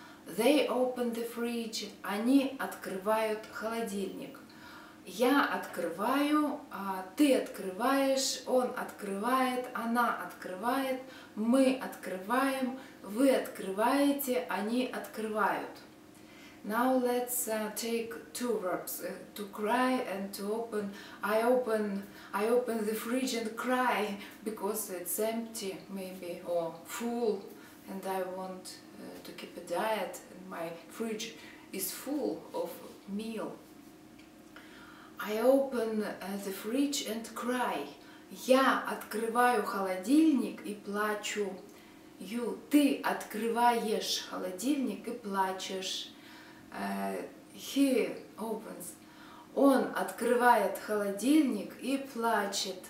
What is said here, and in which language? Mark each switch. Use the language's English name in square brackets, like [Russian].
[English] They open the fridge. [Russian] Они открывают холодильник. Я открываю, ты открываешь, он открывает, она открывает, мы открываем, вы открываете, они открывают. [English] Now let's take two verbs, to cry and to open. I open the fridge and cry because it's empty maybe or full and I want to keep a diet and my fridge is full of meal. I open the fridge and cry. [Russian] Я открываю холодильник и плачу. [English] You, [Russian] ты открываешь холодильник и плачешь. [English] He opens. [Russian] Он открывает холодильник и плачет.